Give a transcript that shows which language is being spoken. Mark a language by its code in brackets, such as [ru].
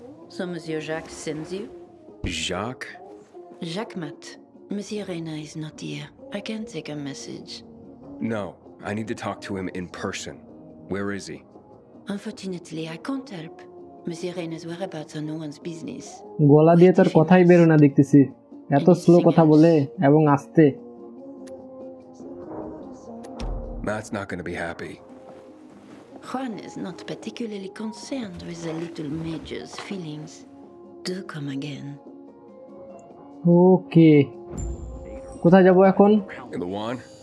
[en] So Monsieur Jacques sends you? Jacques? Jacques Matt. Monsieur Rayner is not here. I can't take a message. No, I need to talk to him in person. Where is he? Unfortunately, I can't help. Monsieur Rayner's whereabouts are no one's business. [bn] গলা দিয়ে তার কথাই বের না দেখতেছি এত slow কথা বলে এবং আস্তে [en] Matt's not going to be happy. Juan is not particularly concerned with the little major's feelings. Do come again. [bn] Okay. Kotha jabo ekhon? [en] The one.